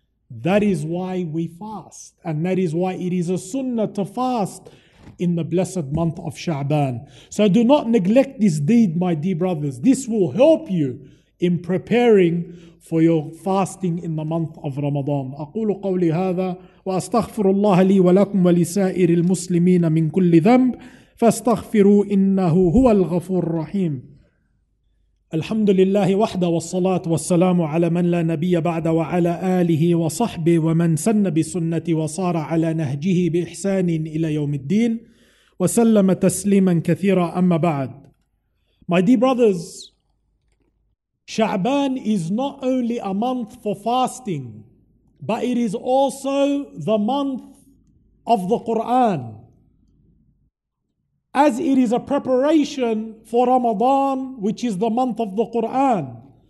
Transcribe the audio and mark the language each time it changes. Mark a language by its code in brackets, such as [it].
[en] That is why we fast. And that is why it is a sunnah to fast in the blessed month of Sha'ban. So do not neglect this deed, my dear brothers. This will help you in preparing for your fasting in the month of Ramadan. [ar] أقول قولي هذا وأستغفر الله لي ولكم ولسائر المسلمين من كل ذنب فاستغفروا إنه هو الغفور الرحيم. الحمد لله وحده والصلاة والسلام على من لا نبي بعد وعلى آله وصحبه ومن سن بسنة وصار على نهجه بإحسان إلى يوم الدين وسلم تسليما كثيرا أما بعد. [en] My dear brothers, Sha'ban is not only a month for fasting, but it is also the month of the Quran, as it is a preparation for Ramadan, which is the month of the Quran.